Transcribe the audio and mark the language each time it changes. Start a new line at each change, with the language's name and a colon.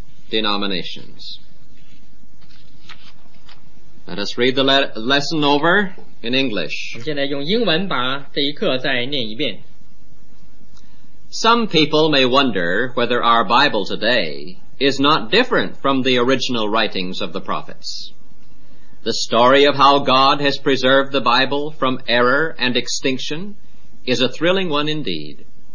English: denominations let us read the lesson over in English
Chinese: 我们现在用英文把这一课再念一遍。
English: Some people may wonder whether our Bible today is not different from the original writings of the prophets. The story of how God has preserved the Bible from error and extinction is a thrilling one indeed.